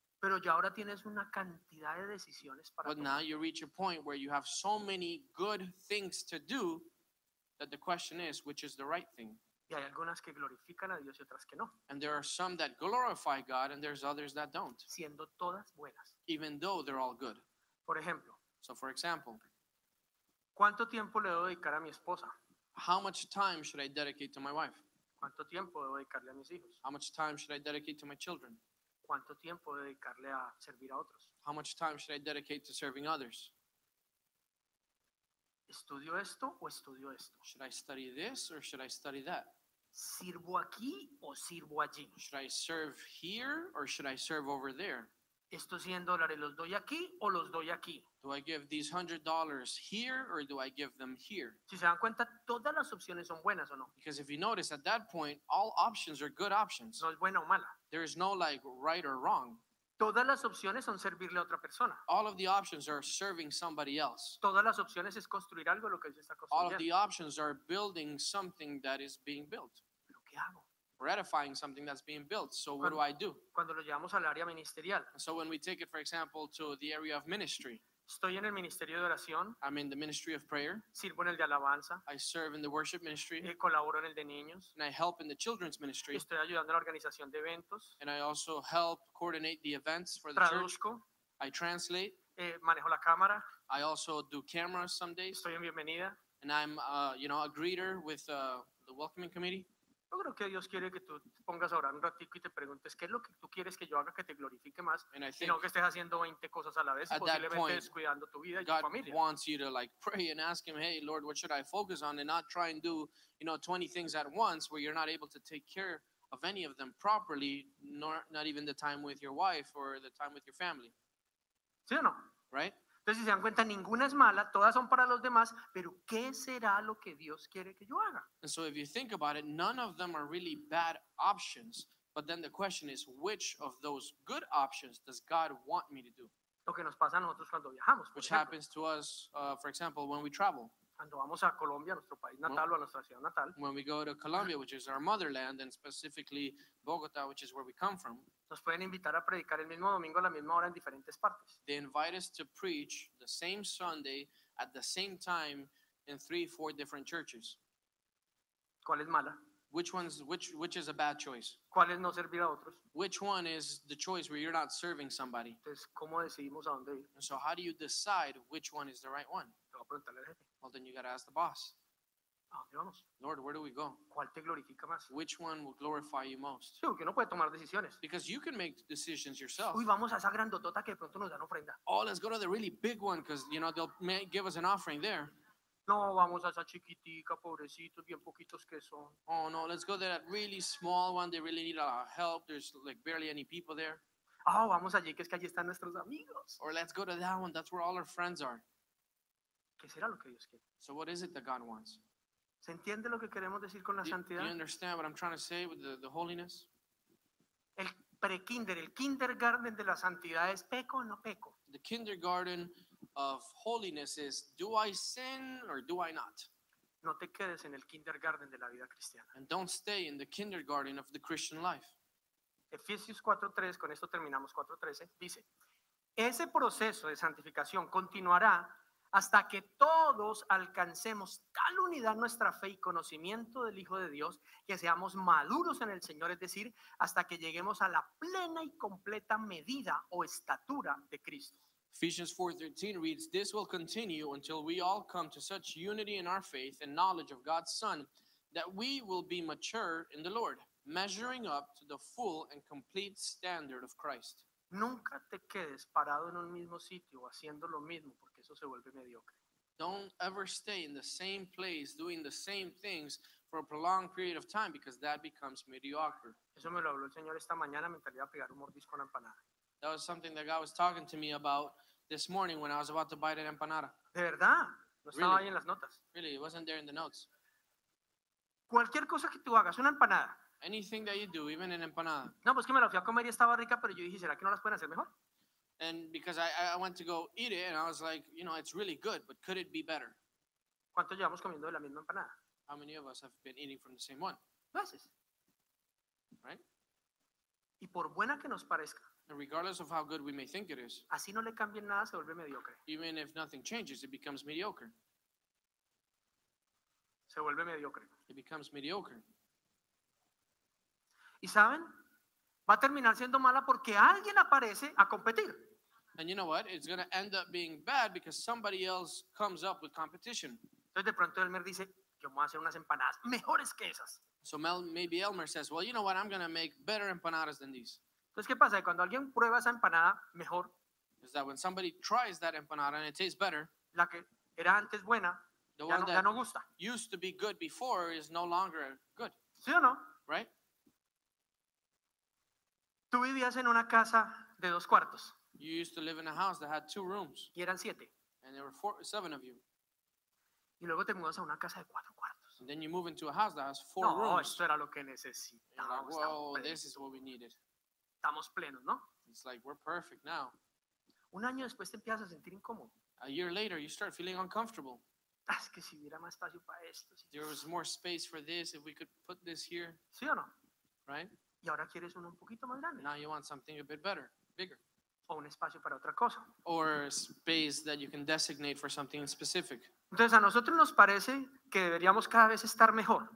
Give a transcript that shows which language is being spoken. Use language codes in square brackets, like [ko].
[es] Pero ya ahora tienes una cantidad de decisiones para... [en] But [es] tomar. [en] Now you reach a point where you have so many good things to do that the question is, which is the right thing? [es] Y hay algunas que glorifican a Dios y otras que no. [en] And there are some that glorify God and there's others that don't. [es] Siendo todas buenas. [en] Even though they're all good. [es] Por ejemplo. [en] So for example. [es] ¿Cuánto tiempo le debo dedicar a mi esposa? [en] How much time should I dedicate to my wife? [es] ¿Cuánto tiempo debo dedicarle a mis hijos? [en] How much time should I dedicate to my children? [es] ¿Cuánto tiempo debo dedicarle a servir a otros? [en] How much time should I dedicate to serving others? [es] ¿Estudio esto o estudio esto? [en] Should I study this or should I study that? [es] ¿Sirvo aquí o sirvo allí? [en] Should I serve here or should I serve over there? [es] ¿Estos $100 los doy aquí o los doy aquí? [en] Do I give these $100 here or do I give them here? [es] Si se dan cuenta, todas las opciones son buenas o no. [en] Because if you notice at that point, all options are good options. [es] No es buena o mala. [en] There is no like right or wrong. [es] Todas las opciones son servirle a otra persona. [en] All of the options are serving somebody else. [es] Todas las opciones es construir algo lo que Dios está construyendo. [en] All of the options are building something that is being built. [es] ¿Pero qué hago? [en] We're edifying something that's being built. So what do I do? [es] Cuando lo llevamos al área ministerial. [en] So when we take it, for example, to the area of ministry. [es] Estoy en el ministerio de oración. [en] I'm in the ministry of prayer. [es] Sirvo en el de alabanza. [en] I serve in the worship ministry. [es] Y colaboro en el de niños. [en] And I help in the children's ministry. [es] Y estoy ayudando a la organización de eventos. [en] And I also help coordinate the events for the [es] Traduzco. [en] Church. I translate. [es] Manejo la cámara. [en] I also do cameras some days. [es] Estoy en bienvenida. [en] And I'm, you know, a greeter with the welcoming committee. [es] Yo creo que Dios quiere que tú pongas a orar un ratico y te preguntes qué es lo que tú quieres que yo haga que te glorifique más, y no que estés haciendo 20 cosas a la vez, posiblemente descuidando tu vida y [en] God [es] tu familia. [en] God wants you to like pray and ask him, hey, Lord, what should I focus on and not try and do, you know, 20 things at once where you're not able to take care of any of them properly, not even the time with your wife or the time with your family. [es] ¿Sí o no? [en] Right? [es] Entonces, si se dan cuenta, ninguna es mala, todas son para los demás, pero ¿qué será lo que Dios quiere que yo haga? [en] And so if you think about it, none of them are really bad options, but then the question is, which of those good options does God want me to do? [es] Lo que nos pasa a nosotros cuando viajamos, por ejemplo. [en] Which happens to us, for example, when we travel. [es] Cuando vamos a Colombia, nuestro país natal, o a nuestra ciudad natal. [en] When we go to Colombia, which is our motherland, and specifically Bogota, which is where we come from. [es] Nos pueden invitar a predicar el mismo domingo a la misma hora en diferentes partes. [en] They invite us to preach the same Sunday at the same time in 3-4 different churches. [es] ¿Cuál es mala? [en] Which is a bad choice? [es] ¿Cuál es no servir a otros? [en] Which one is the choice where you're not serving somebody? [es] Entonces, ¿cómo decidimos a dónde ir? [en] And so how do you decide which one is the right one? [es] Te voy a preguntarle al jefe. [en] Well, then you got to ask the boss. [es] ¿A dónde vamos? [en] Lord, where do we go? [es] ¿Cuál te glorifica más? [en] Which one will glorify you most? [es] Sí, porque uno puede tomar decisiones. [en] Because you can make decisions yourself. [es] Uy, vamos a esa grandotota que de pronto nos dan ofrenda. [en] Oh, let's go to the really big one because, you know, they'll may give us an offering there. [es] No, vamos a esa chiquitica, pobrecitos, bien poquitos que son. [en] Oh, no, let's go to that really small one. They really need a lot of help. There's, like, barely any people there. [es] Oh, vamos allí, que es que allí están nuestros amigos. [en] Or let's go to that one. That's where all our friends are. [es] ¿Qué será lo que Dios quiere? [en] So what is it that God wants? [es] ¿Se entiende lo que queremos decir con la santidad? [en] Do you understand what I'm trying to say with the holiness? [es] El pre-kinder, el kindergarten de la santidad es peco o no peco. [en] The kindergarten of holiness is, do I sin or do I not? [es] No te quedes en el kindergarten de la vida cristiana. [en] And don't stay in the kindergarten of the Christian life. [es] Efesios 4:3, con esto terminamos 4:13, dice, ese proceso de santificación continuará hasta que todos alcancemos tal unidad en nuestra fe y conocimiento del Hijo de Dios, que seamos maduros en el Señor, es decir, hasta que lleguemos a la plena y completa medida o estatura de Cristo. [en] Ephesians 4:13 reads, this will continue until we all come to such unity in our faith and knowledge of God's Son, that we will be mature in the Lord, measuring up to the full and complete standard of Christ. [es] Nunca te quedes parado en un mismo sitio haciendo lo mismo, porque eso se vuelve mediocre. [en] Don't ever stay in the same place doing the same things for a prolonged period of time, because that becomes mediocre. [es] Eso me lo habló el Señor esta mañana mientras iba a pegar un mordisco a la empanada. [en] That was something that God was talking to me about this morning when I was about to bite an empanada. [es] ¿De verdad? No estaba [en] really? [es] Ahí en las notas. [en] Really, it wasn't there in the notes. [es] Cualquier cosa que tú hagas, una empanada. [en] Anything that you do, even an empanada. [es] No, pues que me la fui a comer y estaba rica, pero yo dije, ¿será que no las pueden hacer mejor? [en] And because I went to go eat it, and I was like, you know, it's really good, but could it be better? [es] ¿Cuánto llevamos comiendo de la misma empanada? [en] How many of us have been eating from the same one? [es] Gracias. [en] Right? [es] Y por buena que nos parezca. [en] And regardless of how good we may think it is, [es] así no le cambien nada, se vuelve mediocre. [en] Even if nothing changes, it becomes mediocre. [es] Se vuelve mediocre. [en] It becomes mediocre. [es] ¿Y saben? Va a terminar siendo mala porque alguien aparece a competir. [en] And you know what? It's going to end up being bad because somebody else comes up with competition. [es] Entonces de pronto Elmer dice, yo voy a hacer unas empanadas mejores que esas. [en] So maybe Elmer says, well, you know what? I'm going to make better empanadas than these. [es] Entonces, ¿qué pasa? Cuando alguien prueba esa empanada, mejor. [en] Is that when somebody tries that empanada and it tastes better, [es] la que era antes buena, [en] the [es] ya, [en] one [es] no, [en] that [es] ya no gusta. [en] Used to be good before is no longer good. [es] ¿Sí o no? [en] Right? [es] Tú vivías en una casa de dos cuartos. [en] You used to live in a house that had two rooms. [es] Y eran siete. [en] And there were seven of you. [es] Y luego te mudas a una casa de cuatro cuartos. [en] And then you move into a house that has four [es] no, [en] rooms. [es] No, esto era lo que necesitábamos. [en] Like, well, this is what we needed. [es] Estamos plenos, ¿no? [en] It's like we're perfect now. [es] Un año después te empiezas a sentir incómodo. [en] A year later, you start feeling uncomfortable. [es] Es que si hubiera más espacio para esto. Si [en] there was more space for this, if we could put this here. [es] ¿Sí o no? [en] Right? [es] Y ahora quieres uno un poquito más grande. [en] Now you want something a bit better, bigger. [es] O un espacio para otra cosa. [en] Or space that you can designate for something specific. [es] Entonces a nosotros nos parece que deberíamos cada vez estar mejor.